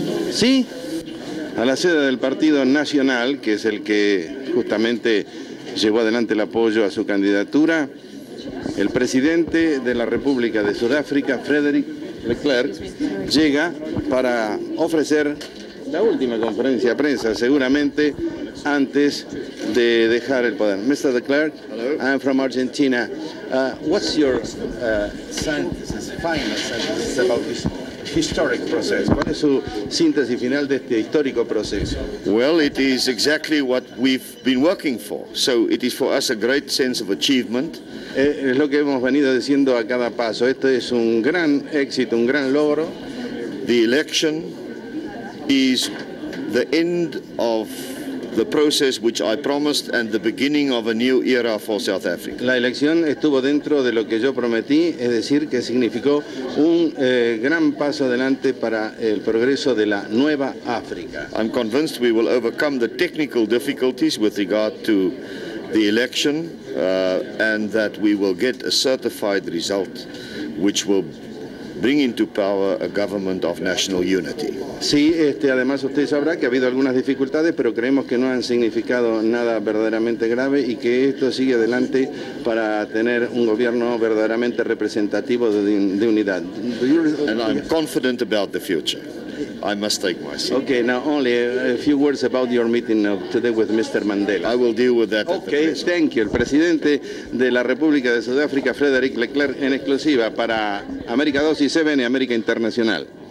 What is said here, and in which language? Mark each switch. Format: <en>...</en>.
<es>¿Sí? A la sede del Partido Nacional, que es el que justamente llevó adelante el apoyo a su candidatura, el presidente de la República de Sudáfrica, Frederik de Klerk, llega para ofrecer la última conferencia de prensa, seguramente antes de dejar el poder.</es> <en>Mr. de Klerk, hello. I'm from Argentina. What's your final sentence about this historic process?</en> <es>¿Cuál es su síntesis final de este histórico proceso?</es> <en>Well, it is exactly what we've been working for. So it is for us a great sense of achievement.</en> <es>Es lo que hemos venido diciendo a cada paso. Esto es un gran éxito, un gran logro.</es> <en>The election is the end of the process which I promised and the beginning of a new era for South Africa.</en> <es>La elección estuvo dentro de lo que yo prometí, es decir, que significó un gran paso adelante para el progreso de la nueva África.</es> <en>I'm convinced we will overcome the technical difficulties with regard to the election and that we will get a certified result which will bring into power a government of national unity.</en> <es>Sí, además usted sabrá que ha habido algunas dificultades, pero creemos que no han significado nada verdaderamente grave y que esto sigue adelante para tener un gobierno verdaderamente representativo de unidad.</es> <en>And I'm confident about the future. I must take my seat. Okay, now only a few words about your meeting of today with Mr. Mandela. I will deal with that. Okay, thank you.</en> <es>El presidente de la República de Sudáfrica, Frederik de Klerk, en exclusiva para América 2 y CBN América Internacional.</es>